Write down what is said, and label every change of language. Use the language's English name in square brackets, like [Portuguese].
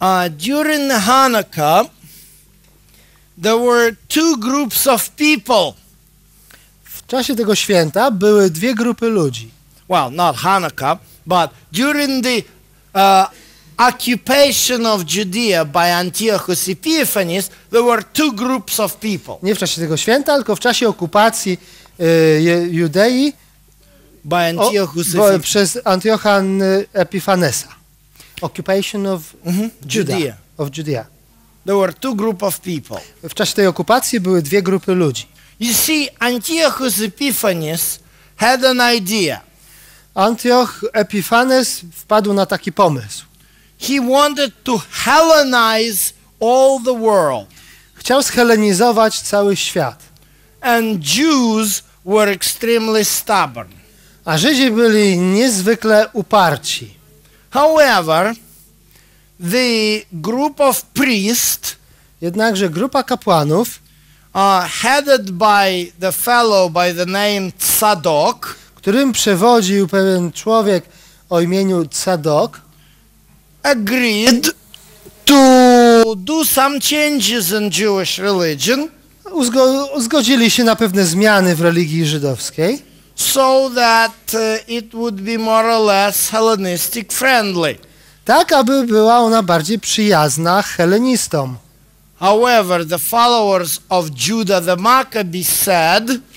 [English] During the Hanukkah, there were two groups of people. [Polish] W czasie tego święta były dwie grupy ludzi. [English] Well, not Hanukkah, but during the occupation of Judea by Antiochus Epiphanes, there were two groups of people. [Polish] Nie w czasie tego święta, tylko w czasie okupacji Judei [English] by Antiochus [Polish] przez Antiocha Epifanesa. [English] Occupation of Judea. Of Judea. There were two group of people. [Polish] W czasie tej okupacji były dwie grupy ludzi. [English] You see, Antiochus Epiphanes had an idea. [Polish] Antioch Epifanes wpadł na taki pomysł. [English] He wanted to Hellenize all the world. [Polish] Chciał zhellenizować cały świat. [English] And Jews were extremely stubborn. [Polish] A Żydzi byli niezwykle uparci. [English] However, the group of priests, [Polish] jednakże grupa kapłanów, [English] headed by the fellow by the name Tzadok, [Polish] którym przewodził pewien człowiek o imieniu Tzadok, [English] agreed to do some changes in Jewish religion. [Polish] Zgodzili się na pewne zmiany w religii żydowskiej, [English] so that it would be more or less Hellenistic friendly. [Polish] Tak, aby była ona bardziej przyjazna helenistom. [English] However, the followers of Judah the Maccabee said,